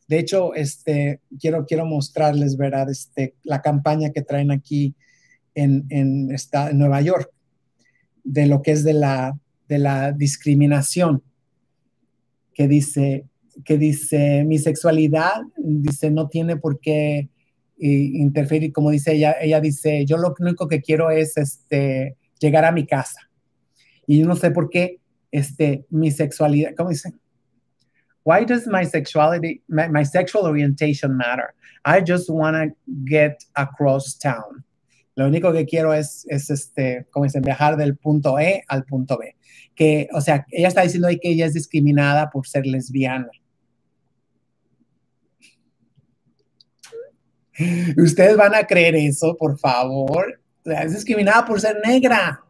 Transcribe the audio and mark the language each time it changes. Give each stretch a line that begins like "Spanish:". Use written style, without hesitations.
Spanish: De hecho, quiero mostrarles, ¿verdad? La campaña que traen aquí en Nueva York, de lo que es de la discriminación, que dice mi sexualidad, dice, no tiene por qué interferir, como dice ella dice, yo lo único que quiero es llegar a mi casa. Y yo no sé por qué mi sexualidad, ¿cómo dice?
English: Why does my sexual orientation matter? I just want to get across town.
Spanish: Lo único que quiero es como dicen, viajar del punto E al punto B. Que, o sea, ella está diciendo ahí que ella es discriminada por ser lesbiana. ¿Ustedes van a creer eso, por favor? O sea, es discriminada por ser negra.